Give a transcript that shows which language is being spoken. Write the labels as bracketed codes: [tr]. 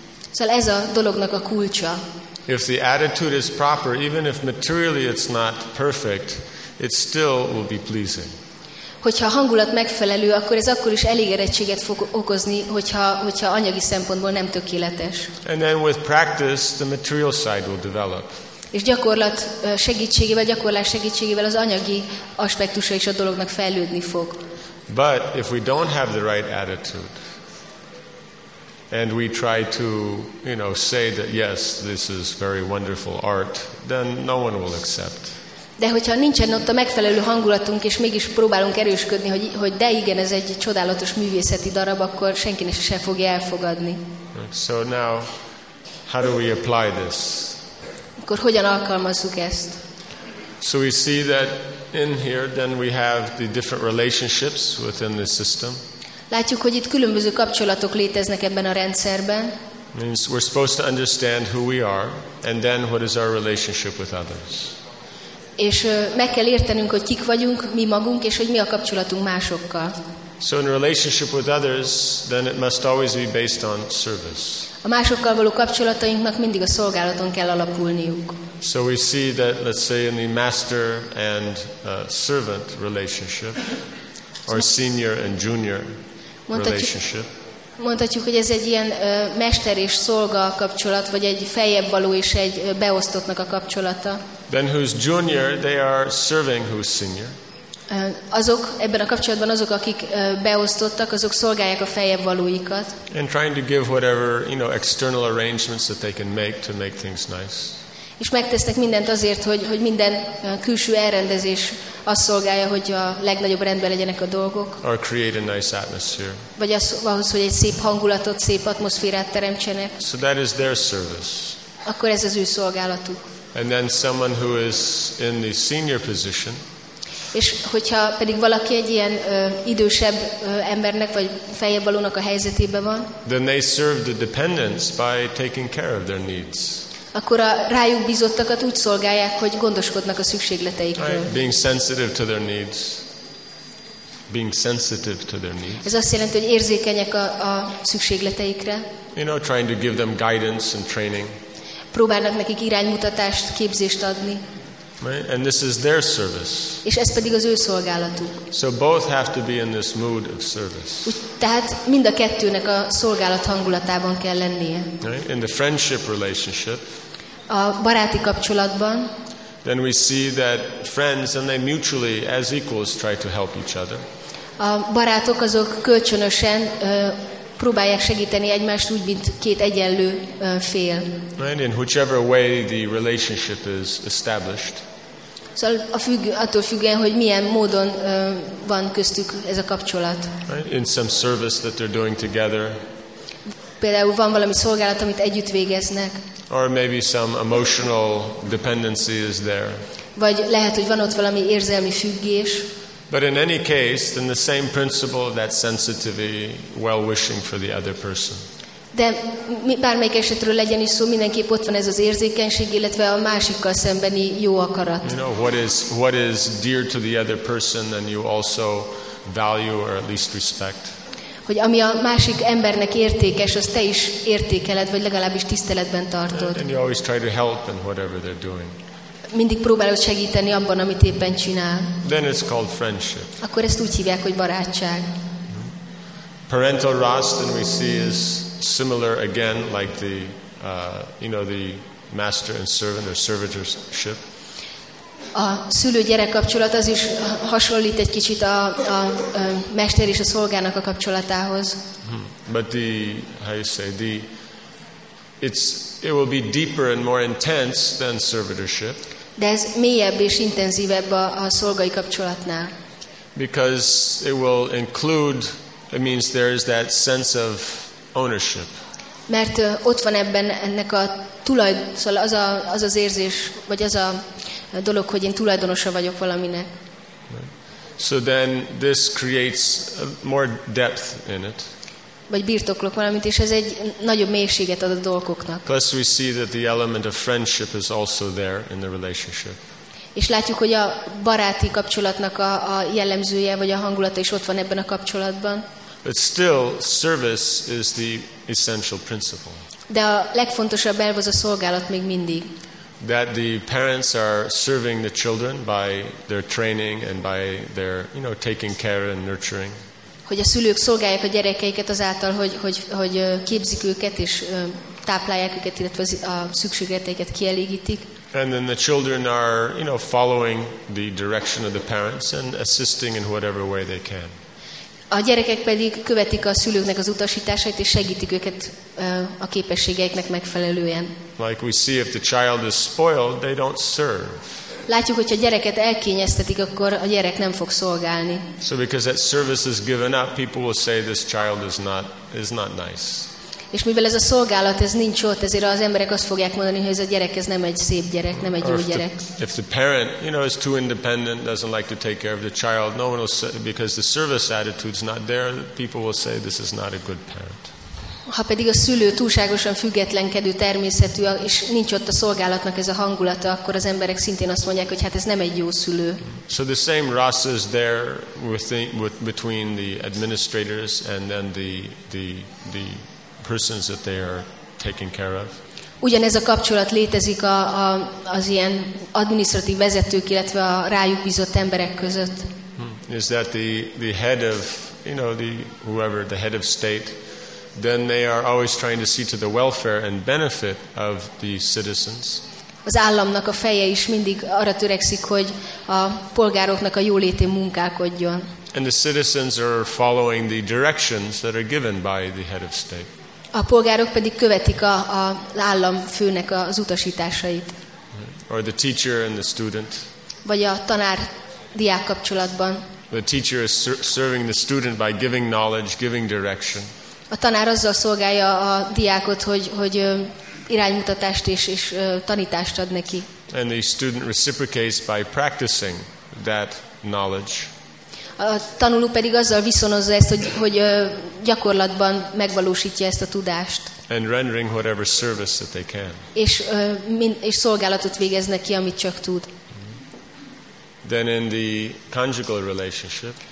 [hu] Szóval ez a dolognak a kulcsa. [en] If the attitude is proper, even if materially it's not perfect, it still will be pleasing. [hu] Hogyha a hangulat megfelelő, akkor ez akkor is elégedettséget fog okozni, hogyha anyagi szempontból nem tökéletes. [en] And then with practice, the material side will develop. [hu] És gyakorlat segítségével, gyakorlás segítségével az anyagi aspektusa is a dolognak fejlődni fog. [en] But if we don't have the right attitude, and we try to, you know, say that yes, this is very wonderful art, then no one will accept. [hu] De hogyha nincsen ott a megfelelő hangulatunk, és mégis próbálunk erősködni, hogy de igen, ez egy csodálatos művészeti darab, akkor senki ne se fogja elfogadni. [en] So now, how do we apply this? [hu] Akkor hogyan alkalmazzuk ezt? [en] So we see that in here, then we have the different relationships within the system. [hu] Látjuk, hogy itt különböző kapcsolatok léteznek ebben a rendszerben. [en] Means we're supposed to understand who we are, and then what is our relationship with others. [hu] És meg kell értenünk, hogy kik vagyunk, mi magunk, és hogy mi a kapcsolatunk másokkal. [en] So in relationship with others, then it must always be based on service. [hu] A másokkal való kapcsolatainknak mindig a szolgálaton kell alapulniuk. [en] So we see that, let's say, in the master and servant relationship, or senior and junior relationship. [hu] Mondhatjuk, hogy ez egy ilyen mester és szolga kapcsolat, vagy egy feljebb való és egy beosztottnak a kapcsolata. [en] Then who's junior, they are serving who's senior. [hu] Azok ebben a kapcsolatban azok, akik beosztottak, azok szolgálják a feljebb valóikat. [en] And trying to give whatever, you know, external arrangements that they can make to make things nice. [hu] És megtesznek mindent azért, hogy minden külső elrendezés azt szolgálja, hogy a legnagyobb rendben legyenek a dolgok. [en] Or create a nice atmosphere. [hu] Vagy ahhoz, hogy egy szép hangulatot, szép atmoszférát teremtsenek. [en] So that is their service. [hu] Akkor ez az ő szolgálatuk. [en] And then someone who is in the senior position. [hu] És hogyha pedig valaki egy ilyen idősebb embernek vagy feljebb valónak a helyzetében van, [en] then they serve the dependents by taking care of their needs. [hu] Akkor a rájuk bízottakat úgy szolgálják, hogy gondoskodnak a szükségleteikről. [en] Right. Being sensitive to their needs. Being sensitive to their needs. [hu] Ez azt jelenti, hogy érzékenyek a szükségleteikre. [en] You know, trying to give them guidance and training. [hu] Próbálnak nekik iránymutatást, képzést adni. [en] Right. And this is their service. [hu] És ez pedig az ő szolgálatuk. [en] So both have to be in this mood of service. [hu] Tehát mind a kettőnek a szolgálat hangulatában kell lennie. [en] Right. In the friendship relationship. [hu] A baráti kapcsolatban. [en] Then we see that friends and they mutually as equals try to help each other. [hu] A barátok azok kölcsönösen próbálják segíteni egymást úgy, mint két egyenlő fél. [en] And in whichever way the relationship is established. [hu] Szóval attól függően, hogy milyen módon van köztük ez a kapcsolat. [en] Right. In some service that they're doing together. [hu] Például van valami szolgálat, amit együtt végeznek. [en] Or maybe some emotional dependency is there. [hu] Vagy lehet, hogy van ott valami érzelmi függés. [en] But in any case, then the same principle of that sensitivity, well-wishing for the other person. [hu] De bármelyik esetről legyen is szó, mindenképp ott van ez az érzékenység, illetve a másikkal szembeni jó akarat. [en] You know, what is dear to the other person, and you also value or at least respect. [hu] Hogy ami a másik embernek értékes, azt te is értékeled, vagy legalábbis tiszteletben tartod. [en] And you always try to help in whatever they're doing. [hu] Mindig próbálod segíteni abban, amit éppen csinál. [en] Then it's called friendship. [hu] Akkor ezt úgy hívják, hogy barátság. [en] Parental rust, and we see is similar again, like the you know, the master and servant or servitorship. [hu] A szülő-gyerek kapcsolat az is hasonlít egy kicsit a mester és a szolgának a kapcsolatához. [en] But the, how you say, the it's it will be deeper and more intense than servitorship. [hu] De ez mélyebb és intenzívebb a szolgai kapcsolatnál. [en] Because it will include, it means there is that sense of ownership. [hu] Mert ott van ebben ennek a tulajdonosa, az az érzés, vagy az a dolog, hogy én tulajdonosa vagyok valaminek. [en] So then this creates more depth in it. [hu] Vagy birtoklok valamit, és ez egy nagyobb mélységet ad a dolgoknak. [en] Plus we see that the element of friendship is also there in the relationship. [hu] És látjuk, hogy a baráti kapcsolatnak a jellemzője, vagy a hangulata is ott van ebben a kapcsolatban. [en] But still, service is the essential principle. [hu] De a legfontosabb elv az a szolgálat még mindig. [en] That the parents are serving the children by their training and by their, you know, taking care and nurturing. [hu] Hogy a szülők szolgálják a gyerekeiket azáltal, hogy képzik őket és táplálják őket, illetve a szükségleteiket kielégítik. [en] And then the children are, you know, following the direction of the parents and assisting in whatever way they can. [hu] A gyerekek pedig követik a szülőknek az utasításait és segítik őket a képességeiknek megfelelően. [en] Like we see, if the child is spoiled, they don't serve. [hu] Látjuk, hogy ha gyereket elkényeztetik, akkor a gyerek nem fog szolgálni. [en] So because that service is given up, people will say this child is not nice. [hu] És mivel ez a szolgálat ez nincs ott, ezért az emberek azt fogják mondani, hogy ez a gyerek ez nem egy szép gyerek, nem egy jó gyerek. [en] If the parent, you know, is too independent, doesn't like to take care of the child, no one will say, because the service attitude is not there, people will say this is not a good parent. [hu] Ha pedig a szülő túlságosan függetlenkedő természetű, és nincs ott a szolgálatnak ez a hangulata, akkor az emberek szintén azt mondják, hogy hát ez nem egy jó szülő. [en] So the same rasa is there between the administrators and then the persons that they are taking care of. [hu] Ugyanez a kapcsolat létezik az ilyen adminisztratív vezetők, illetve a rájuk bízott emberek között. [en] Is that the head of, you know, the head of state, then they are always trying to see to the welfare and benefit of the citizens. [hu] Az államnak a feje is mindig arra törekszik, hogy a polgároknak a jólétén munkálkodjon. [en] And the citizens are following the directions that are given by the head of state. [hu] A polgárok pedig követik az államfőnek az utasításait. [en] Or the teacher and the student. [hu] Vagy a tanár-diák kapcsolatban. [en] The teacher is serving the student by giving knowledge, giving direction. [hu] A tanár azzal szolgálja a diákot, hogy iránymutatást és tanítást ad neki. [en] And the student reciprocates by practicing that knowledge. [hu] A tanuló pedig azzal viszonozza ezt, hogy gyakorlatban megvalósítja ezt a tudást. [en] And rendering whatever service that they can. [hu] És szolgálatot végez neki, amit csak tud. [en] Then in the conjugal relationship.